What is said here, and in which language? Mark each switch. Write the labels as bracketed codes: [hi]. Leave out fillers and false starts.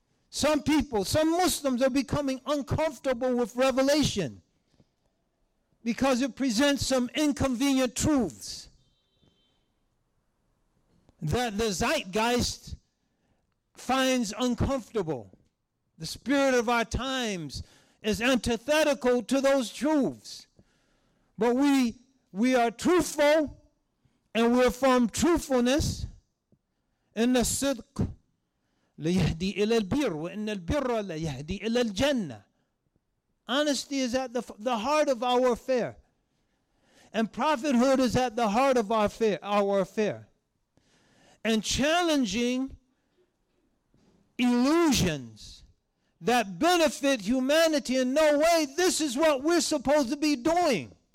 [en] Some people, some Muslims are becoming uncomfortable with revelation because it presents some inconvenient truths that the zeitgeist finds uncomfortable. The spirit of our times is antithetical to those truths. But we are truthful, and we're from truthfulness. In the sidq, [ar] لَيَهْدِي إِلَى الْبِرِّ وَإِنَّ الْبِرَّ لَيَهْدِي إِلَى الْجَنَّةِ. [en] Honesty is at the heart of our affair. And prophethood is at the heart of our affair. And challenging illusions that benefit humanity in no way, this is what we're supposed to be doing.